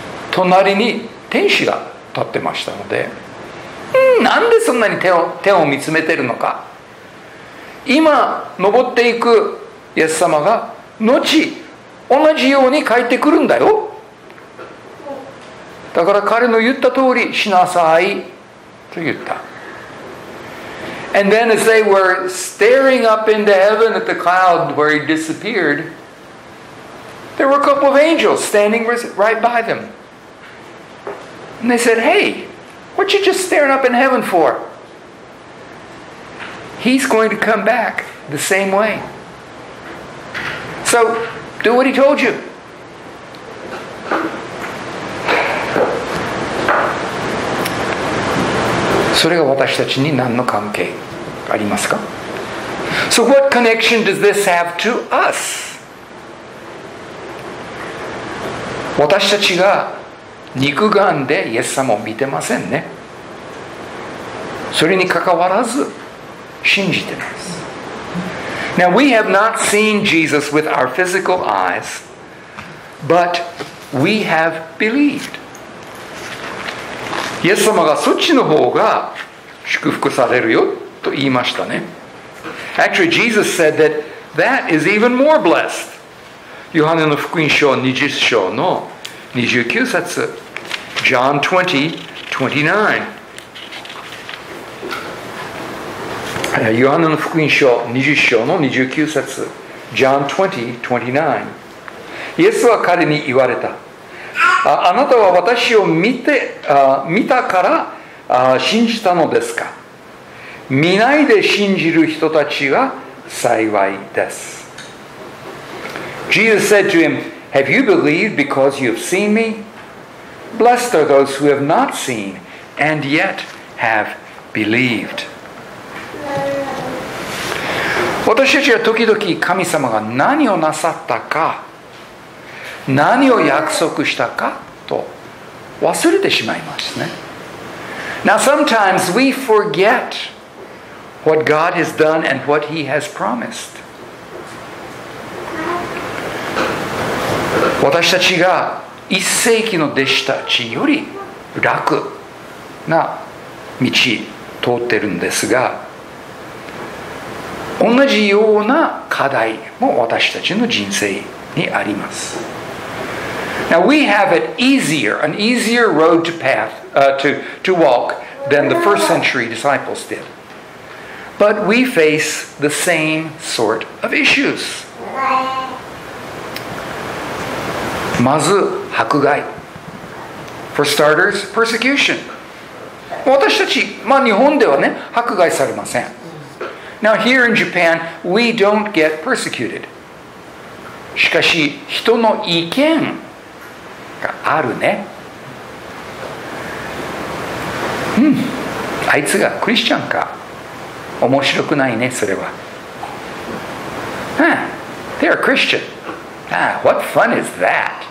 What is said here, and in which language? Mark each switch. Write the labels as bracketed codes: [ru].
[ja] 隣に天使が立ってましたので、なんでそんなに天を見つめてるのか、今登っていくイエス様が後同じように帰ってくるんだよ、だから彼の言った通りしなさいと言った。 [en] And then as they were staring up into heaven at the cloud where he disappeared, there were a couple of angels standing right by them, and they said, hey, what you just staring up in heaven forHe's going to come back the same way. So, do what he told you. [ja] それが私たちに何の関係ありますか? [en] So what connection does this have to us? [ja] 私たちが肉眼でイエス様を見てませんね。それに関わらず信じてます。 [en] Now we have not seen Jesus with our physical eyes, but we have believed. [ja] イエス様がそっちの方が祝福されるよと言いましたね。 [en] Actually, Jesus said that that is even more blessed. [ja] ヨハネの福音書20章の29節、 [en] John 20:29。 [ja] ヨハネの福音書20章の29節 [en] John 20:29。 [ja] イエスは彼に言われた、 あなたは私を見て、見たから信じたのですか、見ないで信じる人たちは幸いです。 [en] Jesus said to him, Have you believed because you have seen me? Blessed are those who have not seen and yet have believed. [ja] 私たちは時々神様が何をなさったか、何を約束したかと忘れてしまいますね。 [en] Now sometimes we forget what God has done and what He has promised. [ja] 私たちが一世紀の弟子たちより楽な道通ってるんですが、同じような課題も私たちの人生にあります。 [en] Now we have it easier, an easier road to path, to walk than the first century disciples did. But we face the same sort of issues. [ja] まず迫害。 [en] For starters, persecution. [ja] 私たち、まあ日本ではね、迫害されません。 [en] Now here in Japan, we don't get persecuted. [ja] しかし、人の意見があるね。うん、あいつがクリスチャンか、面白くないねそれは。 [en] They are Christian. Ah, what fun is that?